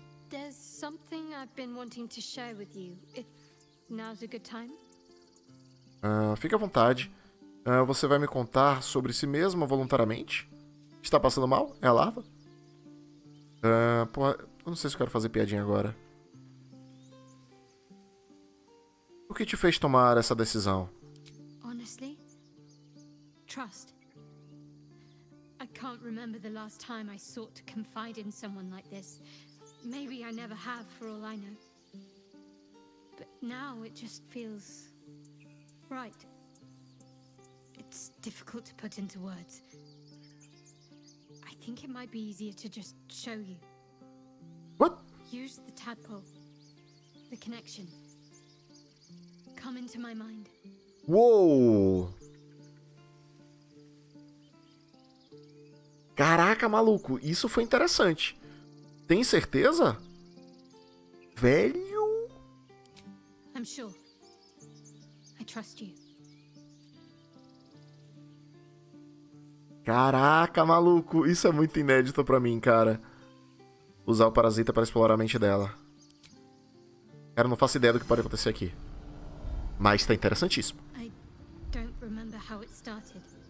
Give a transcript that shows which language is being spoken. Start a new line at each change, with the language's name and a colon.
English: There's something I've been wanting to share with you. If now's a good time.
Portuguese: Fique à vontade. Você vai me contar sobre si mesma voluntariamente? Está passando mal? É a larva? Eu não sei se eu quero fazer piadinha agora. O que te fez tomar essa decisão?
English: Honestly? Trust. I can't remember the last time I sought to confide in someone like this. Maybe I never have, for all I know. But now it just feels right. It's difficult to put into words. I think it might be easier to just show you. What? Use the tadpole. The connection. Come into my mind. Whoa!
Portuguese: Caraca, maluco, isso foi interessante. Tem certeza? Velho?
English: I'm sure. I trust you.
Portuguese: Caraca, maluco, isso é muito inédito pra mim, cara. Usar o parasita pra explorar a mente dela. Cara, não faço ideia do que pode acontecer aqui. Mas tá interessantíssimo.
English: I don't remember how it started.